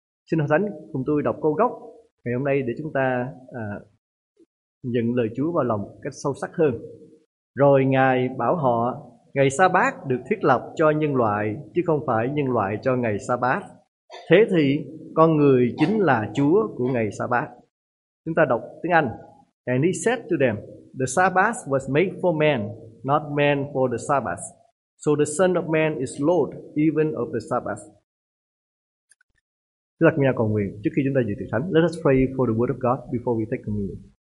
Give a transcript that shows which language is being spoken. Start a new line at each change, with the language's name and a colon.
Vietnamese: Xin Hội Thánh cùng tôi đọc câu gốc ngày hôm nay để chúng ta nhận lời Chúa vào lòng cách sâu sắc hơn. Rồi Ngài bảo họ, ngày Sa-bát được thiết lập cho nhân loại, chứ không phải nhân loại cho ngày Sa-bát. Thế thì con người chính là Chúa của ngày Sa-bát. Chúng ta đọc tiếng Anh.
English: And he said to them, the Sabbath was made for man, not man for the Sabbath. So the Son of Man is Lord even of the Sabbath.
Vietnamese: Chúng ta cùng nhau cầu nguyện trước khi chúng ta dự tiệc thánh.
English: Let us pray for the word of God before we take communion.